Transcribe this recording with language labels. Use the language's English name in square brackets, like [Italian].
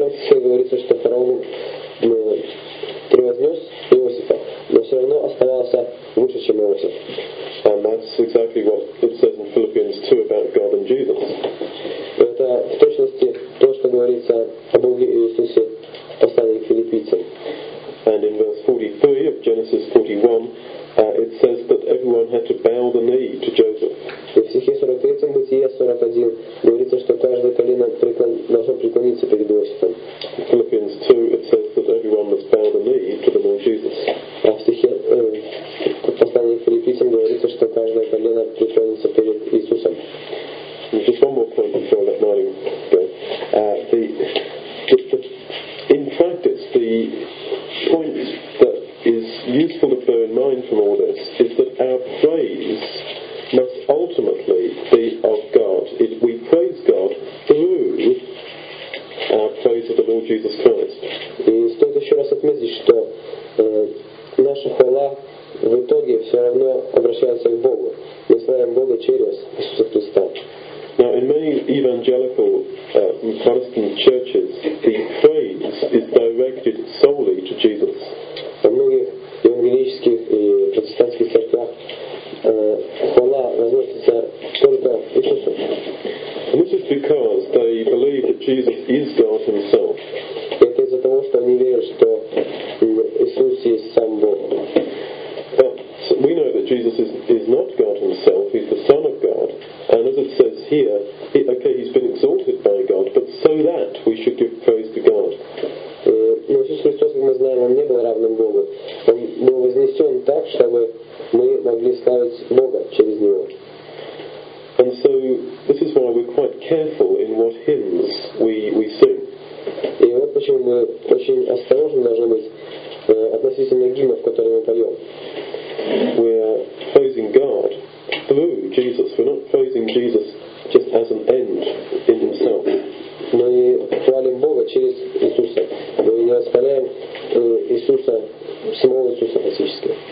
[Russian] Говорится, что фараон превознес Иосифа, но все равно оставался лучше, чем Иосиф. [English] And that's exactly what it says in Philippians 2 about God and Jesus. [Russian] Это в точности то, что говорится о Боге и Иисусе в послании к Филиппийцам. [English] And in verse 43 of Genesis 41, it says that everyone had to bow the knee to Joseph. [Russian] И в стихе 43 Бытия 41 говорится, что каждое колено должно преклониться перед Иосифом. [English] In Philippians 2 it says that everyone must bow the knee to the Lord Jesus. [Russian] А в стихе в послании к Филиппийцам говорится, что каждое колено преклонится перед Иисусом. [English] And just one more point before I let Martin go. In practice, the point that is useful to bear in mind from all this is that our praise must ultimately be of God. We praise God through our praise of the Lord Jesus Christ. [Russian] И стоит еще раз отметить, что наша хвала в итоге все равно обращается к Богу. Мы славим Бога через Иисуса Христа. [English] Now, in many evangelical Protestant churches, the praise is directed solely to Jesus. [Russian] Во многих евангелических и протестантских церквях хвала возносится только Иисусу. [English] This is because they believe that Jesus is God Himself. [Russian] Это из-за того, что они верят, что Иисус есть сам Бог. [English] So we know that Jesus is not God himself, he's the Son of God, and as it says here, he's been exalted by God, but so that we should give praise to God. [Russian] Иисус Христос, как мы знаем, он не был равным Богу. Он был вознесен так, чтобы мы могли славить Бога через него. [English] And so this is why we're quite careful in what hymns we sing. [Russian] И вот почему мы очень осторожны должны быть относительно гимнов, которые мы поем. [English] We are praising God through Jesus. We're not praising Jesus just as an end in himself. [Russian] Мы хвалим Бога через Иисуса. Мы не восхваляем Иисуса, самого Иисуса фактически.